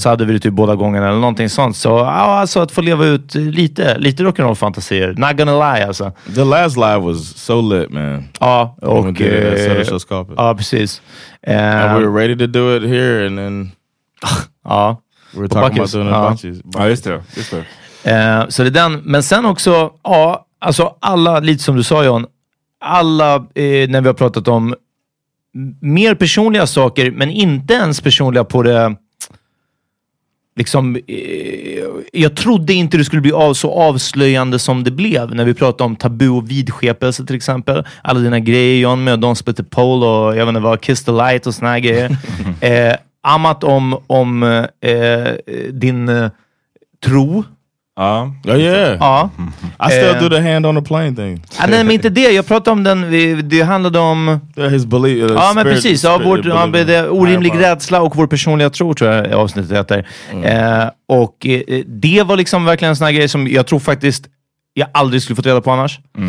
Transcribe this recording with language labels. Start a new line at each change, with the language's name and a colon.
Swedish: så hade vi det typ båda gångerna eller någonting sånt. Så alltså att få leva ut lite rock'n'roll fantasier.
English: Not gonna lie alltså. The last live was so lit, man.
Swedish: Ja. Okej. Ja, precis.
English: And we're ready to do it here and then we're talking about doing
Swedish: it. Just det. Så det är den, men sen också alltså alla lite som du sa John, alla när vi har pratat om mer personliga saker men inte ens personliga på det liksom, jag trodde inte det skulle bli så avslöjande som det blev när vi pratade om tabu och vidskepelse till exempel, alla dina grejer John med Don't Split the Pole och jag vet inte vad Kiss the Light och såna här grejer. Amat om din tro.
English: I still do the hand on the plane thing.
Swedish: Nej, men inte det. Jag pratade om den. Det handlade om
English: his belief.
Swedish: Men precis. Det orimlig rädsla och vår personliga tro, tror jag avsnittet heter. Och det var liksom verkligen en sån här grej som jag tror faktiskt jag aldrig skulle fått reda på annars.